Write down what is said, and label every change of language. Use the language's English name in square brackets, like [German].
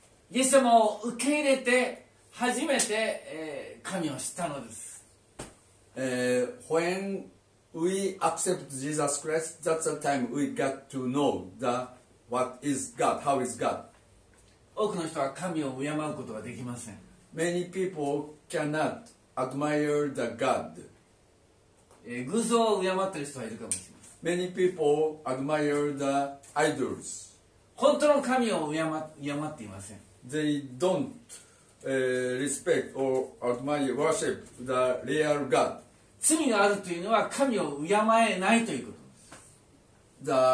[Japanese] イエス様を受け入れて初めて神を知ったのです。 [English] When we accept Jesus Christ, that's the time we got to know the what is God, how is God. [Japanese] 多くの人は神を敬うことができません。 [English] Many people cannot admire the God. [Japanese] 偶像を敬ってる人はいるかもしれません。 [English] Many people admire the idols. [Japanese] 本当の神を敬っていません。 [English] They don't respect or admire, worship the real God. [Japanese] 罪があるというのは神を敬えないということです。